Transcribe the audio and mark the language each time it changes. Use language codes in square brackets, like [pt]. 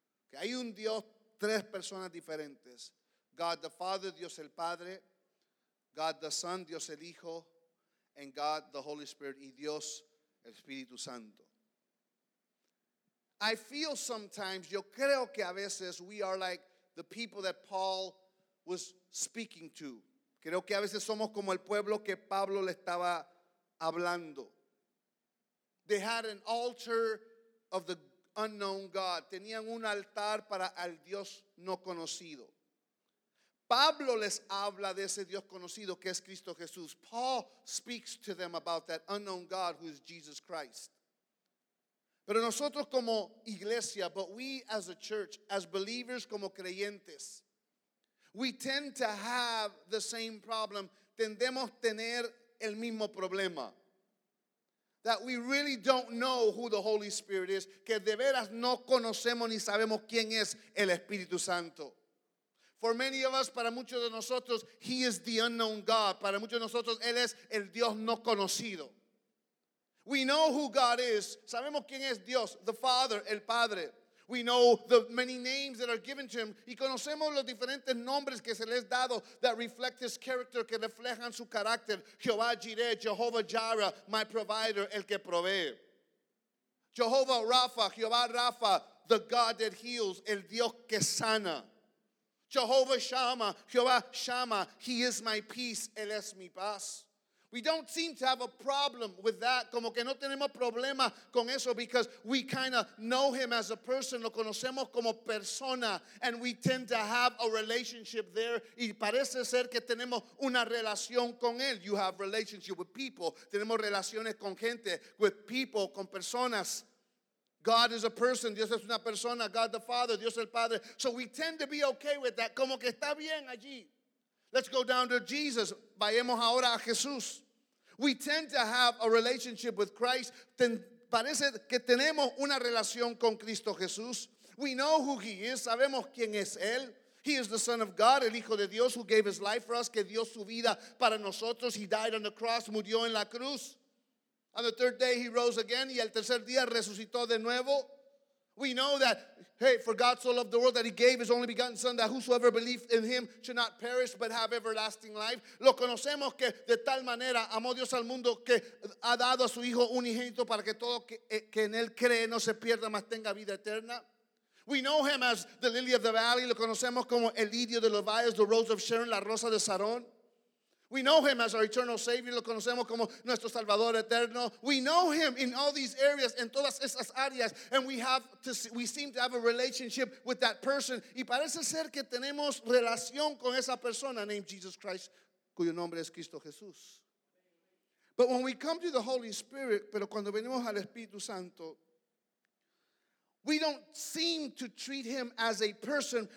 [es] Que hay un Dios, tres personas diferentes. [en] God the Father, [es] Dios el Padre. [en] God the Son, [es] Dios el Hijo. [en] And God the Holy Spirit, [es] y Dios el Espíritu Santo. [en] I feel sometimes, [es] yo creo que a veces [en] we are like the people that Paul was speaking to. [es] Creo que a veces somos como el pueblo que Pablo le estaba hablando. [en] They had an altar of the unknown God. [es] Tenían un altar para el Dios no conocido. Pablo les habla de ese Dios conocido que es Cristo Jesús. [en] Paul speaks to them about that unknown God who is Jesus Christ. [es] Pero nosotros como iglesia, [en] but we as a church, as believers, [es] como creyentes, [en] we tend to have the same problem. [es] Tendemos tener el mismo problema. [en] That we really don't know who the Holy Spirit is. [es] Que de veras no conocemos ni sabemos quién es el Espíritu Santo. [en] For many of us, [es] para muchos de nosotros, [en] he is the unknown God. [es] Para muchos de nosotros, él es el Dios no conocido. [en] We know who God is. [es] Sabemos quién es Dios, [en] the Father, [es] el Padre. [en] We know the many names that are given to him. [es] Y conocemos los diferentes nombres que se les dado [en] that reflect his character, [es] que reflejan su carácter. Jehová Jireh, Jehovah Jireh, [en] my provider, [es] el que provee. [en] Jehovah Rapha, Jehová Rapha, the God that heals, [es] el Dios que sana. [en] Jehovah Shammah, Jehová Shammah, he is my peace, [es] él es mi paz. [en] We don't seem to have a problem with that. [es] Como que no tenemos problema con eso [en] because we kind of know him as a person. [es] Lo conocemos como persona. [en] And we tend to have a relationship there. [es] Y parece ser que tenemos una relación con él. [en] You have relationship with people. [es] Tenemos relaciones con gente, [en] with people, [es] con personas. [en] God is a person. [es] Dios es una persona. [en] God the Father. [es] Dios el Padre. [en] So we tend to be okay with that. [es] Como que está bien allí. [en] Let's go down to Jesus. [es] Vayamos ahora a Jesús. [en] We tend to have a relationship with Christ. [es] Parece que tenemos una relación con Cristo Jesús. [en] We know who he is. [es] Sabemos quién es él. [en] He is the Son of God, [es] el Hijo de Dios, [en] who gave his life for us, [es] que dio su vida para nosotros. [en] He died on the cross, [es] murió en la cruz. [en] On the third day he rose again, [es] y el tercer día resucitó de nuevo. [en] We know that, hey, for God so loved the world that he gave his only begotten son, that whosoever believes in him should not perish but have everlasting life. [es] Lo conocemos que de tal manera amó Dios al mundo que ha dado a su hijo unigénito para que todo que en él cree no se pierda mas tenga vida eterna. [en] We know him as the lily of the valley. [es] Lo conocemos como el lirio de los valles, [en] the rose of Sharon, [es] la rosa de Sarón. [en] We know him as our eternal Savior. [es] Lo conocemos como nuestro Salvador eterno. [en] We know him in all these areas, [es] en todas esas áreas. [en] And we seem to have a relationship with that person. [es] Y parece ser que tenemos relación con esa persona [en] named Jesus Christ, [es] cuyo nombre es Cristo Jesús. [en] But when we come to the Holy Spirit, [es] pero cuando venimos al Espíritu Santo, [en] we don't seem to treat him as a person.